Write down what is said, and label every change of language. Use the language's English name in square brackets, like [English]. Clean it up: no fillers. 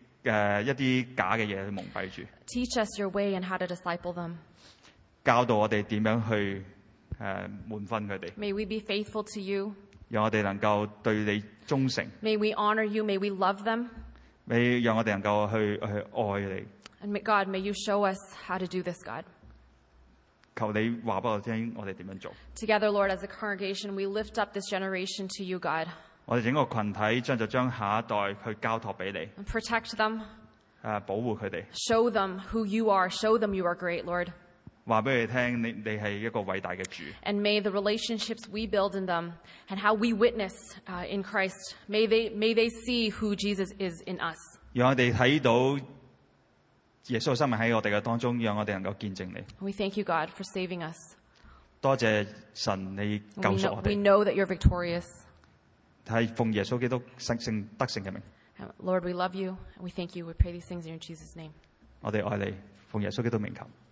[Chinese] 他们在黑暗的时代,也被一些假的东西蒙蔽住。 [English] Teach us your way and how to disciple them. [Chinese] 教导我们怎样去门训他们。 [English] May we be faithful to you. [Chinese] 让我们能够对你忠诚。 [English] May we honor you. May we love them. [Chinese] 让我们能够去爱你。 [English] And God, may you show us how to do this, God. [Chinese] 求你告诉我们怎么做。 [English] Together, Lord, as a congregation, we lift up this generation to you, God. [Chinese] 我们整个群体将下一代去交托给你。 [English] Protect them. [Chinese] 保护他们。 [English] Show them who you are. Show them you are great, Lord. [Chinese] 告诉他们你是一个伟大的主。 [English] And may the relationships we build in them and how we witness in Christ, may they see who Jesus is in us. [Chinese] 让我们看到 耶稣的生命在我们当中,让我们能够见证你。 [English] We thank you, God, for saving us. [Chinese] 多谢神,你救赎我们。 [English] We know that you're victorious. [Chinese] 是奉耶稣基督得胜的名。 [English] Lord, we love you, and we thank you. We pray these things in Jesus' name. [Chinese] 我们爱你,奉耶稣基督名求。